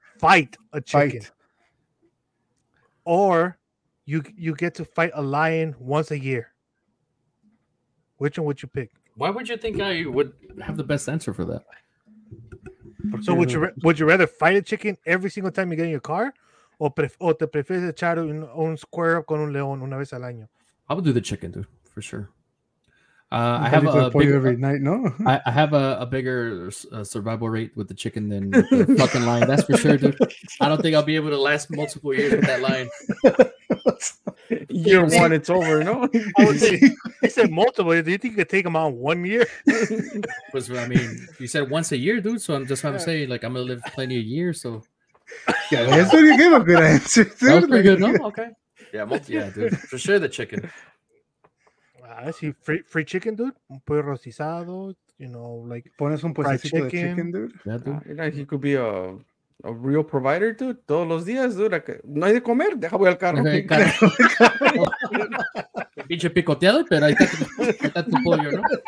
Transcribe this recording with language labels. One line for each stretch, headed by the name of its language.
English: Fight a chicken. Fight. Or you get to fight a lion once a year. Which one would you pick? Why would you think I would have the best answer for that? So would you rather fight a chicken every single time you get in your car?
Spanish: O te prefieres echar un square con un león una vez al año?
English: I would do the chicken, dude, for sure. I have a bigger, every night, no? I have a bigger survival rate with the chicken than with the fucking lion. That's for sure, dude. I don't think I'll be able to last multiple years with that lion. Year one, it's over, no? He said multiple. Do you think you could take him on 1 year? I mean, you said once a year, dude. So I'm just trying to say, like, I'm going to live plenty of years. So. Yeah, that's what you gave a good answer, dude. That was pretty good, no? Okay. Yeah, dude. For sure, the chicken. I see free chicken, dude.
Spanish: Pollo rostizado,
English: you know, like
Spanish: pones un puestecito de
English: chicken, dude. Yeah, dude. You know, he could be a real provider, dude.
Spanish: Todos los días, dude. No hay de comer. Deja voy al carro. Okay, carro. Pinche picoteado, pero ahí está tu pollo, ¿no?